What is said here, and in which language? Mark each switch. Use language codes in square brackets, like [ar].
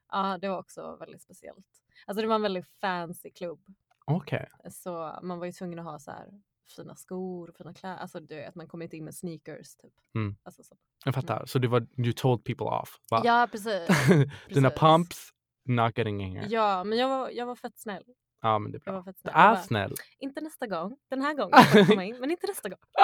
[sv] Ja, det var också väldigt speciellt. Alltså det var en väldigt fancy klubb. Okej. [en] Okay. [sv] Så man var ju tvungen att ha så här fina skor, fina kläder. Alltså du vet, man kom inte in med sneakers typ. Alltså så. Jag fattar. Så det var, [en] you told people off. [sv] Va? Ja, precis. Dina pumps, [en] not getting in here. [sv] Ja, men jag var fett snäll. Ja, men det är bra. Jag var fett snäll. Det är snäll. Bara, inte nästa gång. Den här gången jag kommer in, men inte nästa gång.